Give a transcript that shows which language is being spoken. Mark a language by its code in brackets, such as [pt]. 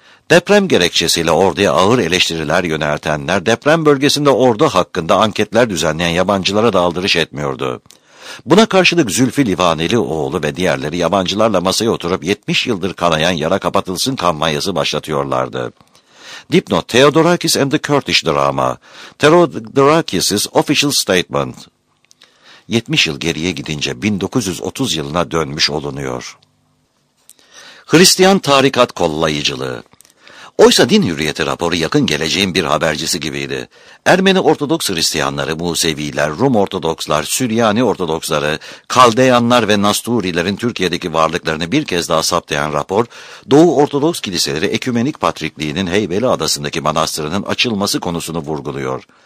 [tr] Deprem gerekçesiyle orduya ağır eleştiriler yöneltenler, deprem bölgesinde ordu hakkında anketler düzenleyen yabancılara da aldırış etmiyordu. Buna karşılık Zülfü Livanelioğlu ve diğerleri yabancılarla masaya oturup 70 yıldır kanayan yara kapatılsın kampanyası başlatıyorlardı. Dipnot: [en] Theodorakis and the Kurdish Drama. Theodorakis's Official Statement. [tr] 70 yıl geriye gidince 1930 yılına dönmüş olunuyor. Hristiyan Tarikat Kollayıcılığı. Oysa Din Hürriyeti raporu yakın geleceğin bir habercisi gibiydi. Ermeni Ortodoks Hristiyanları, Museviler, Rum Ortodokslar, Süryani Ortodoksları, Kaldeyanlar ve Nasturilerin Türkiye'deki varlıklarını bir kez daha saptayan rapor, Doğu Ortodoks Kiliseleri Ekümenik Patrikliği'nin Heybeli Adası'ndaki manastırının açılması konusunu vurguluyor.